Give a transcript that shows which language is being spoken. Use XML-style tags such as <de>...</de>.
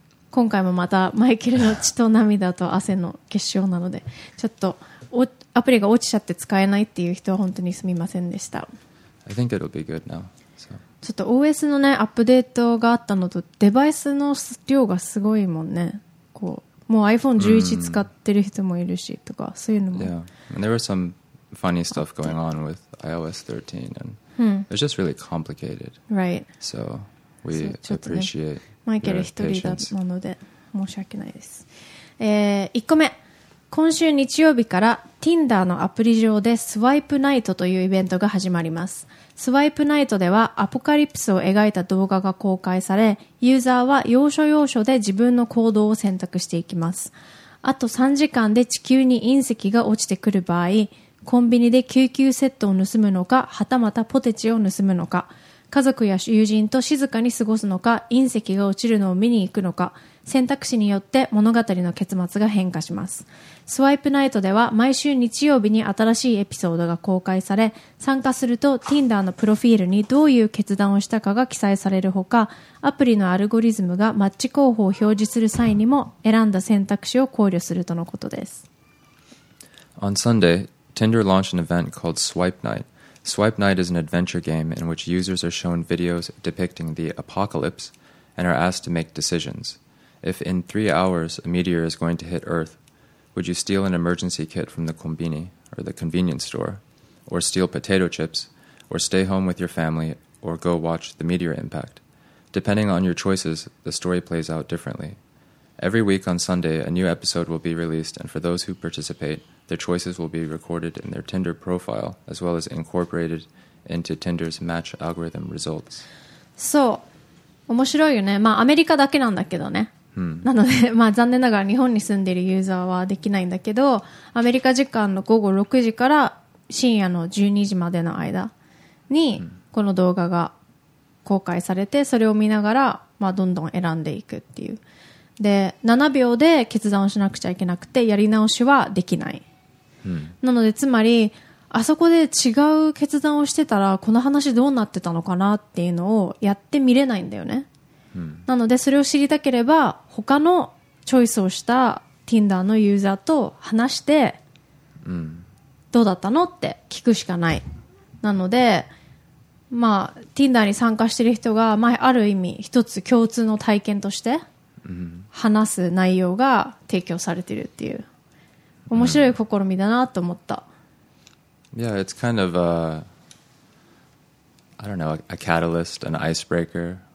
<ja>今回もまたマイケルの血と涙と汗の結晶なので、ちょっとアプリが落ちちゃって使えないっていう人は本当にすみませんでした。</ja> <en>I think it'll be good now.、</en> <ja>ちょっと OS のねアップデートがあったのと、デバイスの量がすごいもんね。こうもう iPhone11 使ってる人もいるしとか、そういうのも、</ja> <en>yeah. And there was some funny stuff going on with iOS 13 and it was just really complicated. Right. So we appreciate your patience.</en> <ja>マイケル一人だったので申し訳ないです。1個目、今週日曜日から Tinder のアプリ上でスワイプナイトというイベントが始まります。スワイプナイトではアポカリプスを描いた動画が公開され、ユーザーは要所要所で自分の行動を選択していきます。あと3時間で地球に隕石が落ちてくる場合、コンビニで救急セットを盗むのか、はたまたポテチを盗むのか、家族や友人と静かに過ごすのか、隕石が落ちるのを見に行くのか、選択肢によって物語の結末が変化します。スワイプナイトでは毎週日曜日に新しいエピソードが公開され、参加すると Tinder のプロフィールにどういう決断をしたかが記載されるほか、アプリのアルゴリズムがマッチ候補を表示する際にも選んだ選択肢を考慮するとのことです。</ja> <en>On Sunday, Tinder launched an event called Swipe Night. Swipe Night is an adventure game in which users are shown videos depicting the apocalypse and are asked to make decisions. If in 3 hours a meteor is going to hit Earth,Would you steal an emergency kit from the konbini or the convenience store, or steal potato chips, or stay home with your family, or go watch the meteor impact? Depending on your choices, the story plays out differently. Every week on Sunday, a new episode will be released, and for those who participate, their choices will be recorded in their Tinder profile, as well as incorporated into Tinder's match algorithm results.</en> <ja>So, 面白いよね。まあアメリカだけなんだけどね。なので、まあ、残念ながら日本に住んでいるユーザーはできないんだけど、アメリカ時間の午後6時から深夜の12時までの間にこの動画が公開されて、それを見ながら、まあ、どんどん選んでいくっていう。で、7秒で決断をしなくちゃいけなくて、やり直しはできない。なのでつまりあそこで違う決断をしてたらこの話どうなってたのかなっていうのをやってみれないんだよね。なのでそれを知りたければ他のチョイスをした Tinder のユーザーと話してどうだったのって聞くしかない。なので、まあ Tinder に参加している人が、まあ、ある意味一つ共通の体験として話す内容が提供されているっていう面白い試みだなと思った。</ja> <en>Yeah, it's kind of a I don't know, a catalyst, an icebreaker.</en>